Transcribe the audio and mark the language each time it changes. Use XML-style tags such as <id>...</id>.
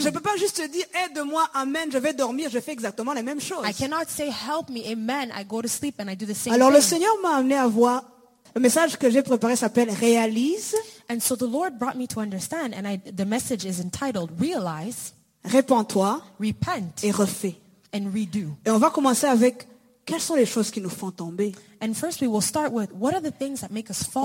<fr>Je ne peux pas juste dire, aide-moi, amen, je vais dormir, je fais exactement les mêmes choses.</fr> <en>I cannot say, help me, amen, I go to sleep and I do the same</en> <fr>thing. Alors le Seigneur m'a amené à voir. Le message que j'ai préparé s'appelle Réalise.</fr> <en>And so the Lord brought me to understand, and the message is entitled Realize.</en> <fr>Répands-toi.</fr> <en>Repent.</en> <fr>Et refais.</fr> <en>And redo.</en> <fr>Et on va commencer avec quelles sont les choses qui nous font tomber.</fr> <en>And first we will start with what are the things that make us fall.</en>